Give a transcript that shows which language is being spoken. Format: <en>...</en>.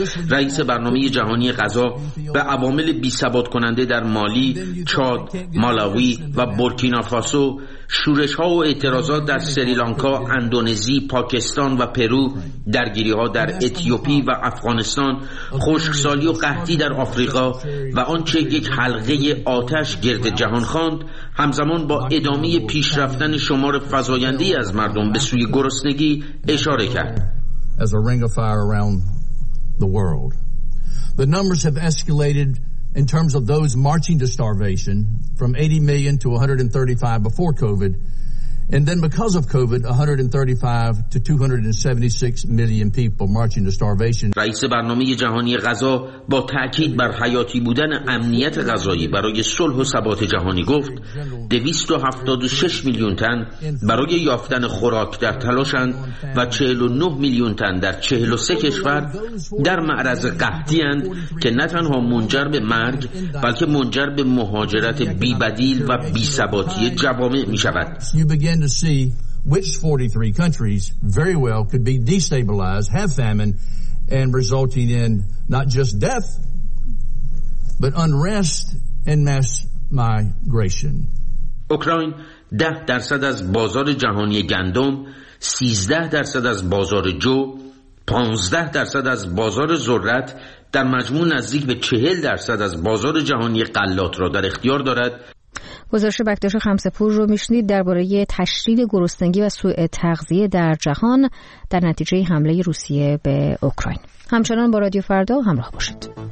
<fa>رئیس برنامه جهانی غذا به عوامل بی‌ثبات کننده در مالی، چاد، مالاوی و بورکینافاسو، شورش‌ها و اعتراضات در سریلانکا، اندونزی، پاکستان و پرو، درگیری‌ها در اتیوپی و افغانستان، خشکسالی و قحطی در آفریقا و آنچه یک حلقه آتش گرد جهان خواند، همزمان با ادامه پیشرفتن شمار فزاینده‌ای از مردم به سوی گرسنگی اشاره کرد.</fa> <en>As a ring of fire around the world. The numbers have escalated in terms of those marching to starvation from 80 million to 135 before COVID and then because of COVID 135 to 276 million people marching to starvation.</en> <fa>رئیس برنامه جهانی غذا با تاکید بر حیاتی بودن امنیت غذایی برای صلح و ثبات جهانی گفت 276 میلیون تن برای یافتن خوراک در تلاشند و 49 میلیون تن در 43 کشور در معرض قحطی اند که نه تنها منجر به مرگ بلکه منجر به مهاجرت بی بدیل و بی ثباتی جوامع می شود.</fa> <en>To see which 43 countries very well could be destabilized, have famine, and resulting in not just death, but unrest and mass migration.</en> <fa>Ukraine, 10% از بازار جهانی گندم, 13% از بازار جو, 15% از بازار ذرت در مجموع نزدیک به 40% از بازار جهانی غلات را در اختیار دارد. گزارش بکتاش خمسه‌پور رو میشنید درباره تشدید گرسنگی و سوء تغذیه در جهان در نتیجه حمله روسیه به اوکراین. همچنان با رادیو فردا همراه باشید.</fa>